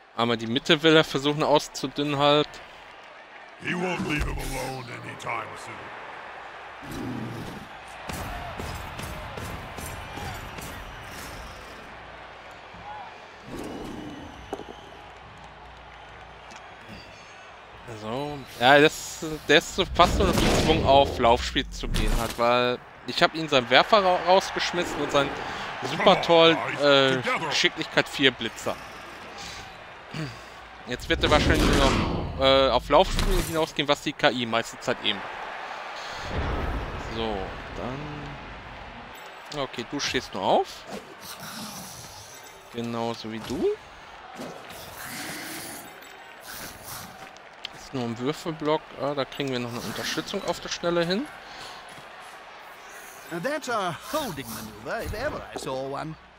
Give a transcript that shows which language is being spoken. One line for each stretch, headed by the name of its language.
German: Aber die Mitte will er versuchen auszudünnen halt.
English: He won't leave him alone anytime soon.
German: So, ja, das ist fast nur ein Zwang auf Laufspiel zu gehen hat, weil ich habe ihn seinen Werfer rausgeschmissen und sein super toll Geschicklichkeit 4 Blitzer. Jetzt wird er wahrscheinlich noch auf Laufspiel hinausgehen, was die KI meiste Zeit eben. So, dann. Okay, du stehst nur auf. Genauso wie du. Ist nur ein Würfelblock. Ah, da kriegen wir noch eine Unterstützung auf der Schnelle hin.
English: That's a holding maneuver, if ever I saw one.